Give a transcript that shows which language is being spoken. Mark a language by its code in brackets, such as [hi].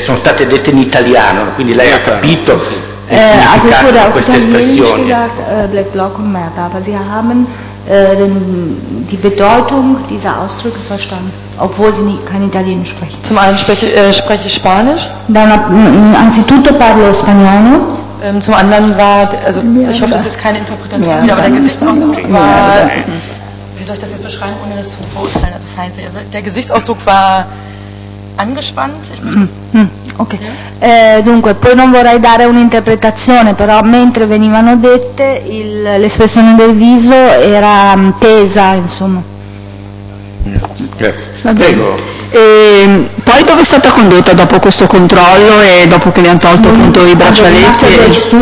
[it] sono state dette in italiano, quindi lei ha capito il significato di queste espressioni. [de] Black Block und Merda, aber sie haben die Bedeutung dieser Ausdrücke verstanden, obwohl sie kein Italienisch sprechen. Zum einen spreche ich Spanisch. Dann, [it] anzitutto parlo spagnolo. [de] Zum anderen war, also ich hoffe, das ist keine Interpretation, aber der Gesichtsausdruck war, wie soll ich das jetzt beschreiben, ohne das zu beurteilen, also feindlich. Also der Gesichtsausdruck war angespannt. Okay. [it] Dunque, poi non vorrei dare un'interpretazione, però mentre venivano dette, l'espressione del viso era tesa, insomma. Prego. E poi dove è stata condotta dopo questo controllo e dopo che le hanno tolto appunto i braccialetti?